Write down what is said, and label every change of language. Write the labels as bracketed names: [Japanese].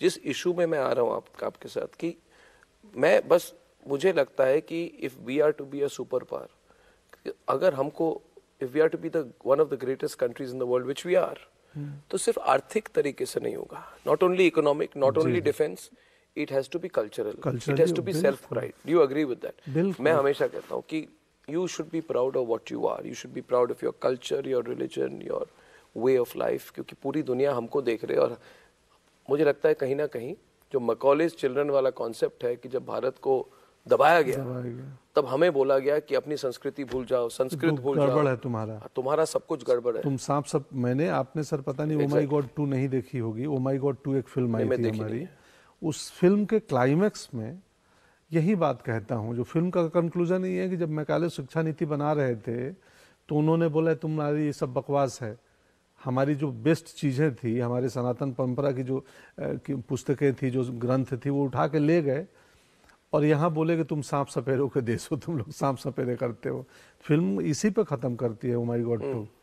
[Hindi] जिस इशू में मैं आ रहा हूँ आपके साथ कि मैं बस, मुझे लगता है कि [English] if we are to be a super power, [Hindi] अगर हमको, [English] if we are to be the one of the greatest countries in the world which we are, [Hindi] तो सिर्फ आर्थिक तरीके से नहीं होगा, [English] Not only economic, not only defence, it has to be cultural, it has to be self pride. Do you agree with that? [Hindi] मैं हमेशा कहता हूँ कि [English] you should be proud of what you are. You should be proud of your culture, your religion, your way of life. [Hindi] क्योंकि पूरी दुनिया हमको देख रही है और मुझे लगता है कहीं ना कहीं जो मैकॉलेज चिल्ड्रन वाला कॉन्सेप्ट है कि जब भारत को दबाया गया तब हमें बोला गया कि अपनी संस्कृति भूल जाओ, संस्कृत भूल जाओ, गड़बड़ है तुम्हारा, तुम्हारा सब कुछ गड़बड़ है, तुम सांप सब, मैंने आपने सर पता नहीं ओ माय गॉड 2 नहीं देखी होगी, ओ माय गॉड 2 एक फिल्म आई थी हमारी, उस फिल्म के क्लाइमेक्स में यही बात कहता हूँ, जो फिल्म का कंक्लूजन ये है कि जब मैकॉले शिक्षा नीति बना रहे थे तो उन्होंने बोला तुम्हारी ये सब बकवास है, हमारी जो बेस्ट चीज़ें थी, हमारे सनातन परंपरा की जो पुस्तकें थी, जो ग्रंथ थी, वो उठा के ले गए और यहाँ बोले कि तुम सांप सपेरों के देश हो, तुम लोग सांप सपेरे करते हो, फिल्म इसी पे ख़त्म करती है ओ माय गॉड 2,